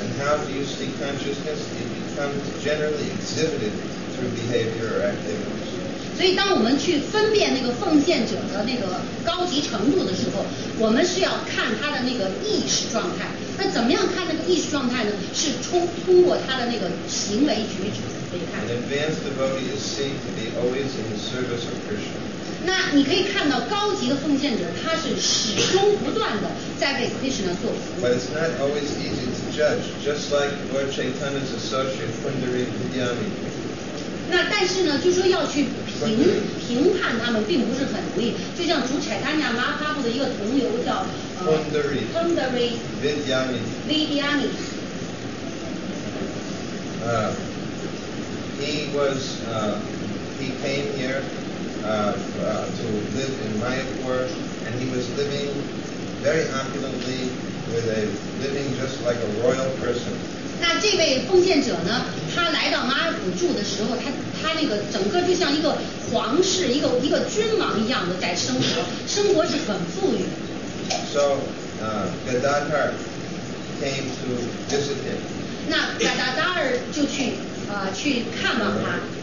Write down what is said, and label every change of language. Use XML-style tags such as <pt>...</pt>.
<en>And how do you see consciousness? It becomes generally exhibited through behavior or activities.</en> <zh>所以当我们去分辨那个奉献者的那个高级程度的时候，我们是要看他的那个意识状态。那怎么样看那个意识状态呢？是通过他的那个行为举止可以看。</zh> <en>An advanced devotee is seen to be always in the service of Krishna.</en> <zh>那你可以看到高级的奉献者，他是始终不断的在为 Krishna 做服务。</zh> <en>But it's not always easy to judge, just like Lord Chaitanya's associate Pundarik Vidyani.</en> <zh>那但是呢，就说要去评判他们，并不是很容易。就像主柴达尼亚马哈布的一个同游叫。</zh> <en>Pundarik Vidyani. He came here to live in Mayapur, and he was living very opulently with a living just like a royal person.</en> <zh>那这位奉献者呢？他来到马尔谷住的时候，他那个整个就像一个皇室，一个君王一样的在生活，生活是很富裕。</zh> <en>So, Gadadhar came to visit him.</en> <zh>那 Gadadhar 就去去看望他。</zh>